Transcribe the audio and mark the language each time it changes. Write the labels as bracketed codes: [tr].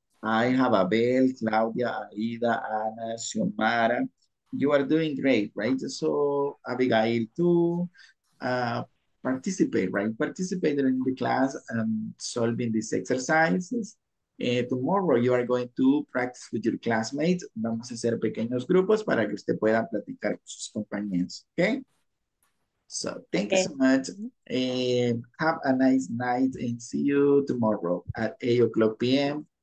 [en] I have Abel, Claudia, Aida, Ana, Xiomara. You are doing great, right? So Abigail too. Participate, right? Participate in the class and solving these exercises. Tomorrow you are going to practice with your classmates. [es] Vamos a hacer pequeños grupos para que usted pueda platicar con sus compañeros, okay? [en] So thank you so much and have a nice night and see you tomorrow at 8 o'clock p.m.